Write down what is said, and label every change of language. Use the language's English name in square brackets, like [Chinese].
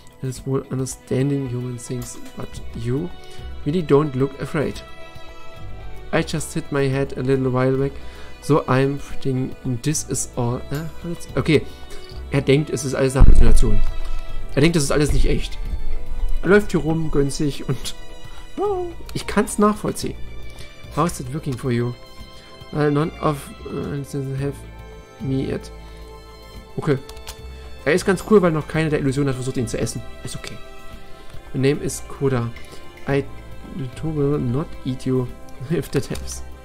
[English] It's well understanding human things, but you really don't look afraid. I just hit my head a little while back, so I'm thinking this is all a hallucination. [German] Okay, er denkt, es ist alles eine Halluzination. Er denkt, es ist alles nicht echt. Er läuft hier rum, gönnt sich und... Oh, ich kann's nachvollziehen. [English] How is it working for you? Well, none of them have me yet. Okay. [German] Er ist ganz cool, weil noch keiner der Illusion hat versucht, ihn zu essen. Ist okay. [English] My name is Koda. I will not eat you if that helps.